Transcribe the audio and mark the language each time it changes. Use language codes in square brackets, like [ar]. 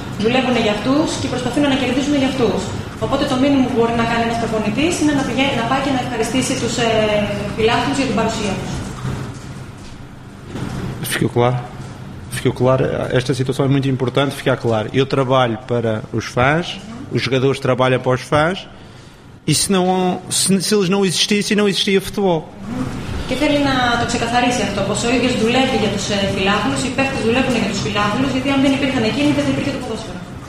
[el] Δουλεύουν για αυτούς και προσπαθούν να κερδίσουν για αυτούς. Οπότε το μήνυμα που μπορεί να κάνει ένας προπονητής είναι να πηγαίνει να πάει και να ευχαριστήσει τους φιλάθλους για την παρουσία τους. [pt] Ficou claro, esta situação é muito importante ficar claro. Eu trabalho para os fãs, os jogadores trabalham para os fãs, e se eles não existissem, não existia futebol. [el] Και θέλει να το ξεκαθαρίσει αυτό, πως ο ίδιος δουλεύει για τους φιλάθλους, οι παίκτες δουλεύουν για τους φιλάθλους, γιατί αν δεν υπήρχαν εκείνοι, δεν θα υπήρχε το ποδόσφαιρο.